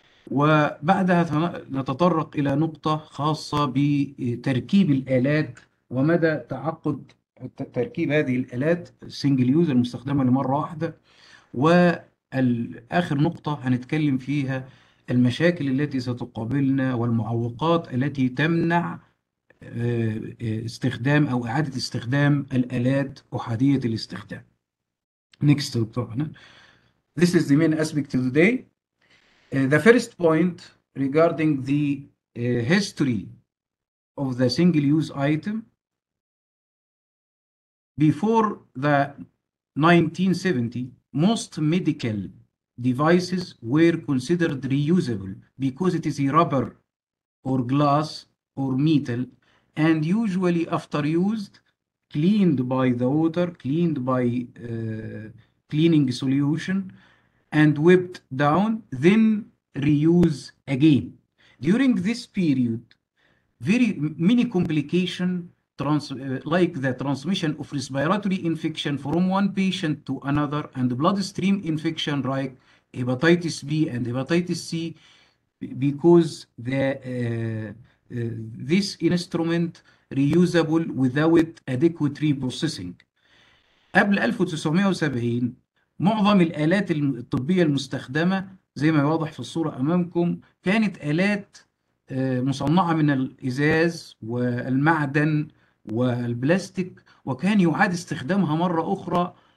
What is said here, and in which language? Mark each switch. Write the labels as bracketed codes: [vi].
[ar] وبعدها نتطرق إلى نقطة خاصة بتركيب الآلات ومدى تعقد تركيب هذه الآلات سنجل يوز المستخدمة لمرة واحدة، والآخر نقطة هنتكلم فيها المشاكل التي ستقابلنا والمعوقات التي تمنع استخدام أو إعادة استخدام الآلات أحادية الاستخدام. [en] Next دكتور، This is the main aspect today. The first point regarding the history of the single-use item. Before the 1970, most medical devices were considered reusable because it is a rubber or glass or metal, and usually after used, cleaned by the water, cleaned by cleaning solution, and wiped down, then reuse again. During this period, very many complication like the transmission of respiratory infection from one patient to another and bloodstream infection like hepatitis B and hepatitis C, because the this instrument reusable without adequate reprocessing. [ar] قبل 1970 معظم الآلات الطبية المستخدمة زي ما واضح في الصورة أمامكم كانت آلات مصنعة من الإزاز والمعدن والبلاستيك، وكان يعاد استخدامها مرة أخرى